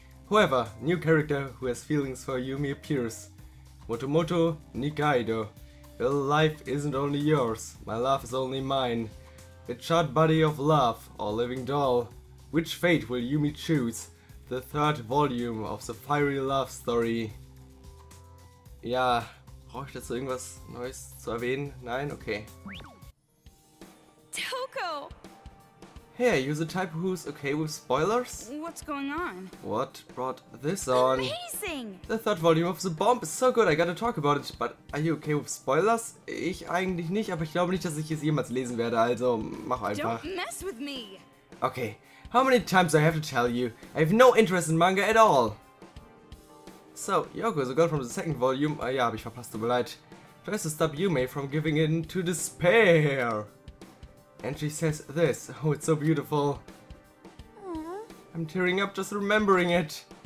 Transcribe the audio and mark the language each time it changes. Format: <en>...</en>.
<en>However, new character who has feelings for Yumi appears. Motomoto Nikaido. Your life isn't only yours, my love is only mine. A charred body of love, or living doll. Which fate will Yumi choose? The third volume of the fiery love story.</en> <de>Ja, brauche ich dazu irgendwas Neues zu erwähnen? Nein? Okay.</de> <en>Toko! Hey, are you the type who's okay with spoilers? What's going on? What brought this on? Amazing! The third volume of the bomb is so good, I gotta talk about it. But are you okay with spoilers?</en> <de>Ich eigentlich nicht, aber ich glaube nicht, dass ich es jemals lesen werde, also mach einfach.</de> <en>Don't mess with me! Okay. How many times do I have to tell you? I have no interest in manga at all. So, Yoko is a girl from the second volume.</en> <de>Ah ja, hab ich verpasst, tut mir leid.</de> <en>Tries to stop Yume from giving in to despair. And she says this. Oh, it's so beautiful. I'm tearing up just remembering it.</en>